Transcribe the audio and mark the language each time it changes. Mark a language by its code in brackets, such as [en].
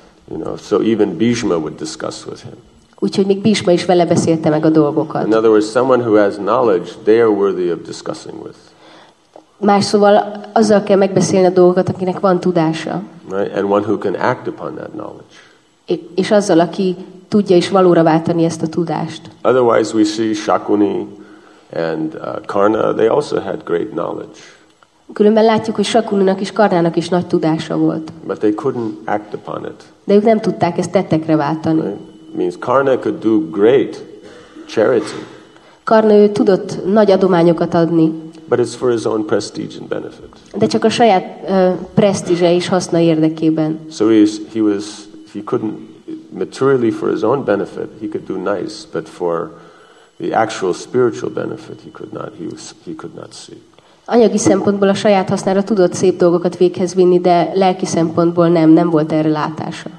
[en] You know, so even Bhishma would discuss with him. [hu] Úgyhogy még Bhishma is vele beszélte meg a dolgokat. [en] In other words, someone who has knowledge, they are worthy of discussing with. [hu] Más szóval azzal kell megbeszélni a dolgokat, akinek van tudása. [en] Right? And one who can act upon that knowledge. [hu] És azzal, aki tudja is valóra váltani ezt a tudást. [en] Otherwise we see Shakuni and Karna, they also had great knowledge. [hu] Különben látjuk, hogy Shakuninak és Karnának is nagy tudása volt. [en] But they couldn't act upon it. [hu] De ők nem tudták ezt tettekre váltani. [en] Right? Means Karna could do great charity. [hu] Karna tudott nagy adományokat adni. [en] But it's for his own prestige and benefit. [hu] De csak a saját presztízse és haszna érdekében. [en] So he couldn't materially for his own benefit. He could do nice, but for the actual spiritual benefit he could not see. [hu] Anyagi szempontból a saját hasznára tudott szép dolgokat véghez vinni, de lelki szempontból nem volt erre látása.